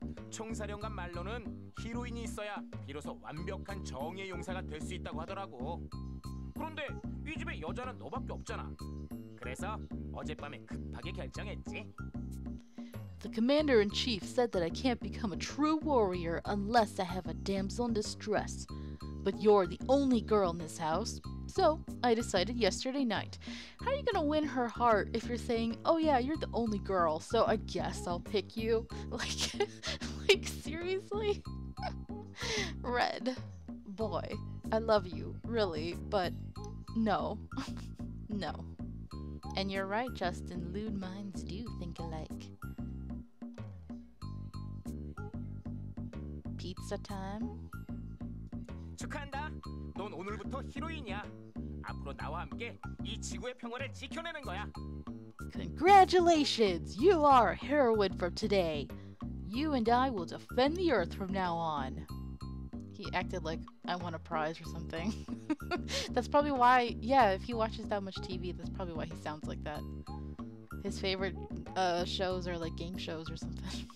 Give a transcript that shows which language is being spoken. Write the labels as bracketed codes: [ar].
[ko] 총사령관 말로는 히로인이 있어야 비로소 완벽한 정의의 용사가 될 수 있다고 하더라고. 그런데 이 집에 여자는 너밖에 없잖아. 그래서 어젯밤에 급하게 결정했지. [en] The commander-in-chief said that I can't become a true warrior unless I have a damsel in distress. But you're the only girl in this house. So, I decided yesterday night. How are you gonna win her heart if you're saying, oh yeah, you're the only girl, so I guess I'll pick you? Like, seriously? Red. Boy, I love you, really, but no. No. And you're right, Justin. Lewd minds do think alike. Pizza time? [ko] 축하한다. 넌 오늘부터 히로인이야. 앞으로 나와 함께 이 지구의 평화를 지켜내는 거야. [en] Congratulations! You are a heroine from today. You and I will defend the Earth from now on. He acted like I won a prize or something. That's probably why, yeah, if he watches that much TV, that's probably why he sounds like that. His favorite shows are like game shows or something.